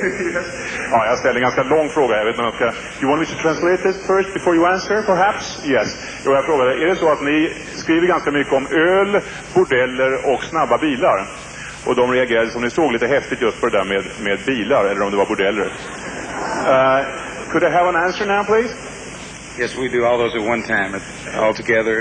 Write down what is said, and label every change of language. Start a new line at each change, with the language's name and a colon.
Swedish: Yes. Oh, jag ställer en ganska lång fråga. Jag vet inte om jag ska...
English: You want me to translate this first before you answer, perhaps?
Swedish: Yes. Jag vill fråga dig. Är det så att ni skriver ganska mycket om öl, bordeller och snabba bilar? Och de reagerade som ni såg lite häftigt just på det där med bilar, eller om det var bordeller.
English: Could I have an answer now, please? Yes, we do all those at one time, all together.